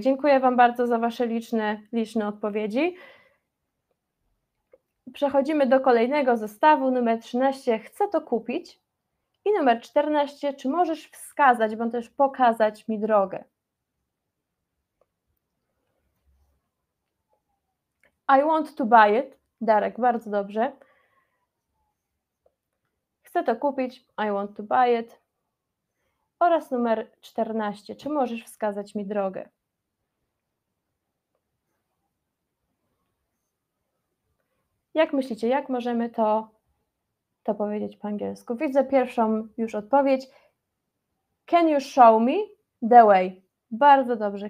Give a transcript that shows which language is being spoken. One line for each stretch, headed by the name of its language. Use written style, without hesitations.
Polish: Dziękuję Wam bardzo za Wasze liczne odpowiedzi. Przechodzimy do kolejnego zestawu, numer 13, chcę to kupić i numer 14, czy możesz wskazać, bądź też pokazać mi drogę.
English: I want to buy it, Darek,
Polish: bardzo dobrze. Chcę to kupić,
English: I want to buy it.
Polish: Oraz numer 14, czy możesz wskazać mi drogę. Jak myślicie, jak możemy to powiedzieć po angielsku? Widzę pierwszą już odpowiedź.
English: Can you show me the way?
Polish: Bardzo dobrze.